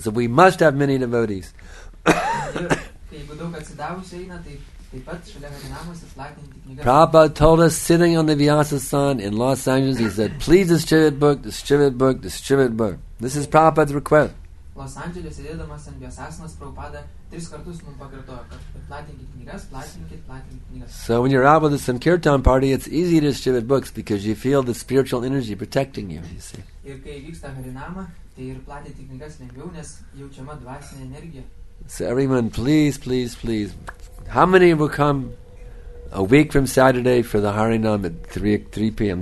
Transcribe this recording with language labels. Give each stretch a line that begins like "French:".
English: So we must have many devotees. Prabhupada told us, sitting on the Vyasa-san in Los Angeles, he said, please distribute book, distribute book, distribute book. This is Prabhupada's request.
Lithuanian: Los Angeles, sėdėdamas ant Vyasa-asanas, Prabhupada tris kartus mums pakartojo, kad platinkit knygas, platinkit, platinkit knygas.
English: So when you're out with the Sankirtan party, it's easy to distribute books because you feel the spiritual energy protecting you, you see.
Lithuanian: Ir kai vyksta harinama, tai ir platinti knygas lengviau, nes jaučiama dvasinė energija.
English: So everyone, please, please, please. How many will come a week from Saturday for the Harinam at 3 p.m.?